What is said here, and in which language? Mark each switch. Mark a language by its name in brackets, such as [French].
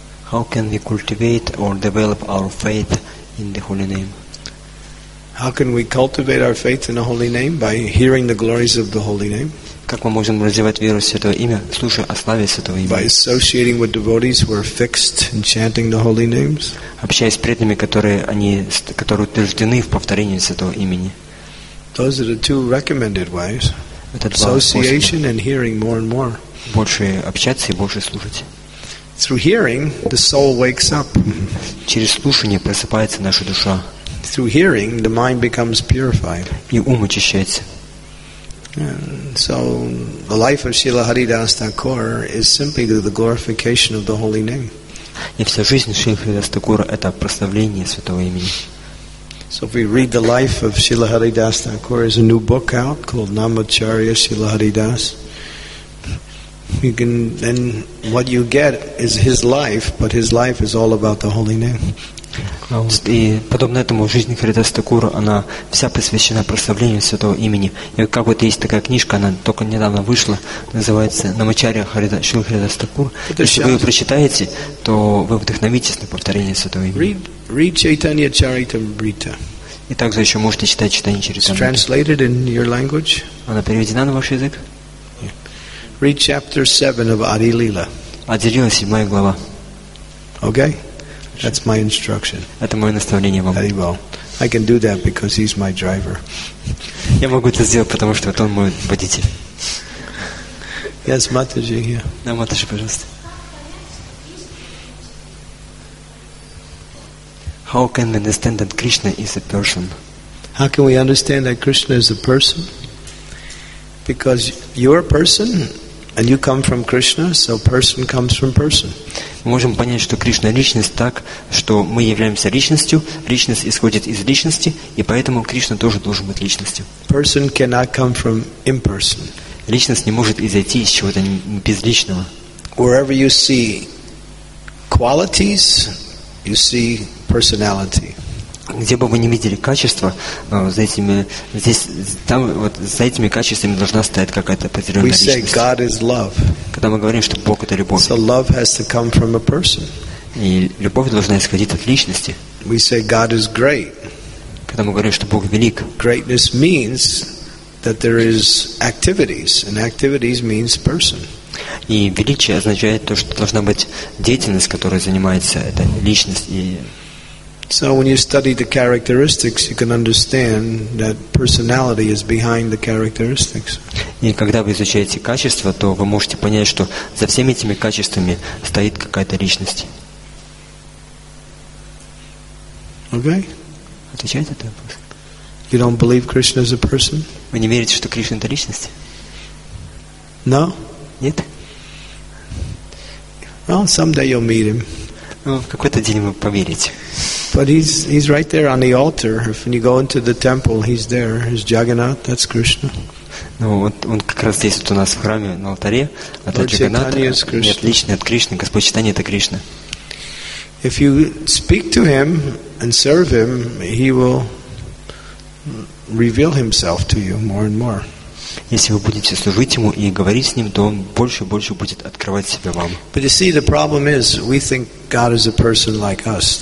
[English] How can we cultivate or develop our faith in the Holy Name? How can we cultivate our faith in the Holy Name by hearing the glories of the Holy Name? [Russian] Как мы можем развивать веру в Святое Имя, слушая о славе Святого Имени? [English] By associating with devotees who are fixed in chanting the holy names. [Russian] Общаясь с преданными, которые утверждены в повторении Святого Имени. [English] Those are the two recommended ways. [Russian] Это два [English] Association [Russian] способа. [English] And hearing more and more. [Russian] Больше общаться и больше слушать. [English] Through hearing, the soul wakes up. [Russian] Через слушание просыпается наша душа. [English] Through hearing, the mind becomes purified. [Russian] И ум очищается. [English] So the life of Srila Haridas Thakur is simply the glorification of the holy name. [Russian] И вся жизнь Шрилы Харидаса Такура это прославление Святого Имени. [English] So if we read the life of Srila Haridas Thakur, there's a new book out called Namacharya Srila Haridas. You can then what you get is his life, but his life is all about the holy name. [Russian] И подобно этому жизнь Харидаса Такура, она вся посвящена прославлению Святого Имени. И как вот есть такая книжка, она только недавно вышла, называется «Намачарья Шрилы Харидаса Такура». Если вы ее прочитаете, то вы вдохновитесь на повторение Святого Имени. [English] Read Chaitanya Charitamrita. [Russian] И также еще можете читать Чайтанья Чаритамриту. [English] It's translated in your language. [Russian] Она переведена на ваш язык? [English] Yeah. Read chapter 7 of Adi Lila. [Russian] Adi Lila, 7 глава. [English] Okay. That's my instruction. [Russian] Это мое наставление вам. [English] Very well. I can do that because he's my driver. [Russian] Я могу это сделать, потому что он мой водитель. [English] Yes, Mataji here. Yeah. [Russian] Да, Матаджи, пожалуйста. [English] How can we understand that Krishna is a person? How can we understand that Krishna is a person? Because you're a person and you come from Krishna, so person comes from person. [Russian] Мы можем понять, что Кришна – Личность так, что мы являемся Личностью, Личность исходит из Личности, и поэтому Кришна тоже должен быть Личностью. [English] Person cannot come from imperson. [Russian] Личность не может изойти из чего-то безличного. [English] Wherever you see qualities, you see personality. [Russian] Где бы вы ни видели качества, за этими качествами должна стоять какая-то определенная личность. [English] We say God is love. [Russian] Когда мы говорим, что Бог это любовь. [English] So love has to come from a person. [Russian] И любовь должна исходить от личности. [English] We say God is great. [Russian] Когда мы говорим, что Бог велик. [English] Greatness means that there is activities, and activities means person. [Russian] И величие означает то, что должна быть деятельность, которой занимается эта личность и [English] So when you study the characteristics, you can understand that personality is behind the characteristics. [Russian] И когда вы изучаете качества, то вы можете понять, что за всеми этими качествами стоит какая-то личность. [English] Okay? [Russian] Отвечаете на этот вопрос? [English] You don't believe Krishna is a person? [Russian] Вы не верите, что Кришна это личность? [English] No? [Russian] Нет? [English] Well, someday you'll meet him. [Russian] Ну, в какой-то день вы поверите. [English] But he's right there on the altar. If you go into the temple, he's there. He's Jagannath. That's Krishna. [Russian] Ну вот он как раз здесь вот у нас в храме на алтаре. Это Джаганнат. Отличный от Кришны. Господь Чайтанья это Кришна. [English] If you speak to him and serve him, he will reveal himself to you more and more. [Russian] Если вы будете служить ему и говорить с ним, то он больше и больше будет открывать себя вам. [English] But you see, the problem is, we think God is a person like us.